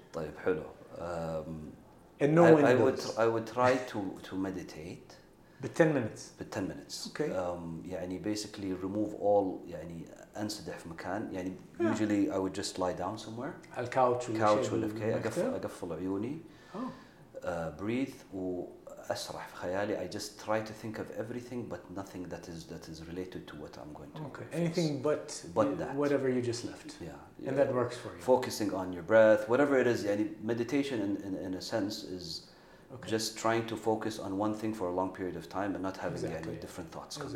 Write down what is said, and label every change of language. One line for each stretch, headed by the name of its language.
Arabic: طيب حلو.
English: And no one does. I would try to meditate. But 10 minutes. Okay. Basically remove all
Arabic: انسدح في مكان.
English: Usually I would just lie down somewhere. الكاوتش
Arabic: ولا في أقفل عيوني.
English: Breathe
Arabic: وأسرح في خيالي.
English: I just try to think of everything but nothing that is related to what I'm going to. Okay. Face. Anything but that. Whatever you just left. Yeah. And that works for you. Focusing on your breath, whatever it is. Meditation in a sense is okay. Just trying to focus on one thing for a long period of time and not having any different thoughts coming.